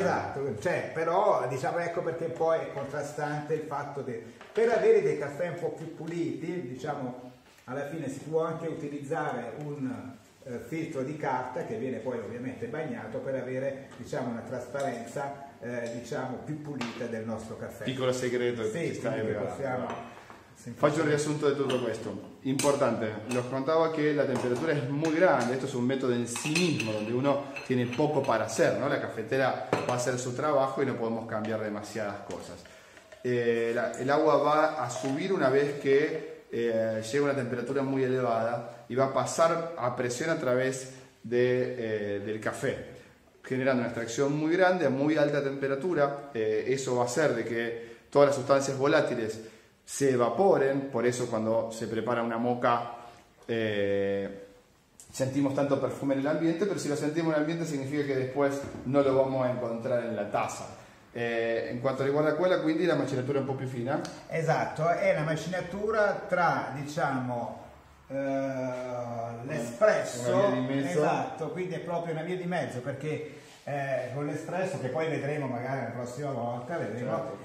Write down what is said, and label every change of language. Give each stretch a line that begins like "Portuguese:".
Italian: Esatto, cioè, però diciamo, ecco perché poi è contrastante il fatto che per avere dei caffè un po' più puliti, diciamo, alla fine si può anche utilizzare un filtro di carta che viene poi ovviamente bagnato per avere, diciamo, una trasparenza diciamo più pulita del nostro caffè. Piccolo segreto, sì, che ci stai regalando. Possiamo... Faccio un riassunto di tutto questo. Importante, lo contavo che la temperatura è molto grande, questo è un metodo
Spanish: in sí mismo, donde uno tiene poco para hacer,
Italian: ¿no?
Spanish: La cafetera va a hacer su trabajo y no podemos cambiar demasiadas cosas. El agua va a subir una vez que llega una temperatura muy elevada y va a pasar a presión a través de, del café, generando una extracción muy grande a muy alta temperatura. Eso va a hacer de que todas las sustancias volátiles se evaporen, por eso cuando se prepara una moca sentimos tanto perfume en el ambiente, pero si lo sentimos en el ambiente significa que después no lo vamos a encontrar en la taza.
Italian: In quanto riguarda quella, quindi la macinatura è un po' più fina? Esatto, è la macinatura tra, diciamo, l'espresso, una via di mezzo. Esatto, quindi è proprio una via di mezzo, perché con l'espresso, che poi vedremo magari la prossima volta, vedremo,